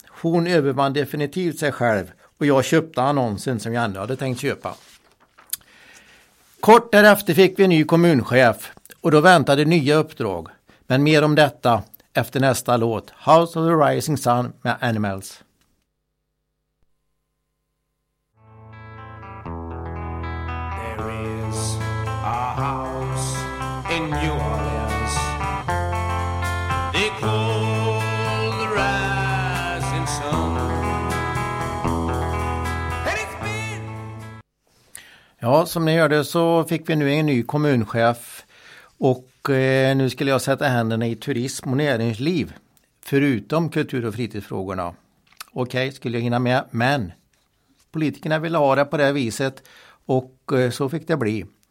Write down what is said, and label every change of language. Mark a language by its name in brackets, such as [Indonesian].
[Swedish] Hon övervann definitivt sig själv. Och jag köpte annonsen som jag ändå hade tänkt köpa. Kort därefter fick vi en ny kommunchef. Och då väntade nya uppdrag. Men mer om detta efter nästa låt, House of the Rising Sun med Animals. [English] There is a house in New Orleans. They call the rising sun. And it's been... [Swedish] Ja, som ni hörde så fick vi nu en ny kommunchef. Och nu skulle jag sätta händerna i turism och näringsliv, förutom kultur- och fritidsfrågorna. Okej, skulle jag hinna med, men politikerna ville ha det på det viset, och så fick det bli.